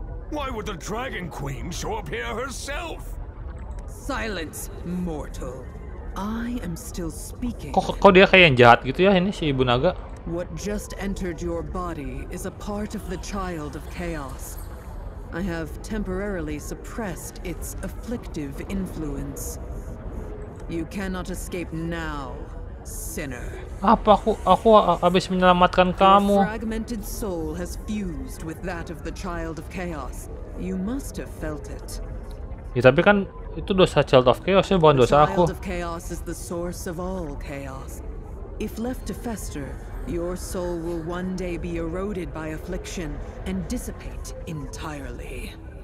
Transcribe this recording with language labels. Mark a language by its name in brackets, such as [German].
[English] Why would the Dragon Queen show up here herself? Silence, mortal. I am still speaking. [Indonesian] Kok dia kayak yang jahat gitu ya ini si Ibu Naga? [English] What just entered your body is a part of the Child of Chaos. I have temporarily suppressed its afflictive influence. You cannot escape now, sinner. [Indonesian] Apa aku habis menyelamatkan kamu? [English] Your fragmented soul has fused with that of the Child of Chaos. You must have felt it. [Indonesian] Ya tapi kan itu dosa Child of Chaos ya, bukan dosa aku. [English] The Child of Chaos is the source of all chaos. If left to fester, your soul will one day be eroded by affliction and dissipate entirely.